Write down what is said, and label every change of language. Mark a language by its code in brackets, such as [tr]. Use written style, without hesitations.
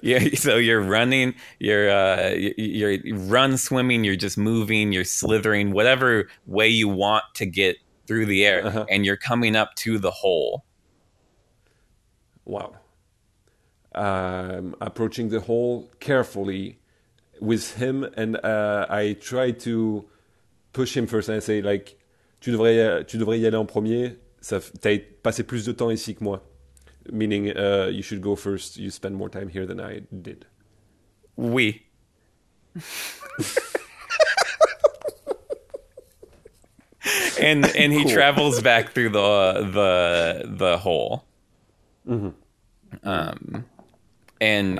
[en] yeah, so you're running, you run swimming, you're just moving, you're slithering, whatever way you want to get through the air, and you're coming up to the hole. Wow. I'm approaching the hole carefully with him, and I try to push him first, and I say, like, [fr] tu devrais y aller en premier. Ça, t'as passé plus de temps ici que moi. [en] Meaning, you should go first. You spend more time here than I did. We. And he Cool. travels back through the hole. And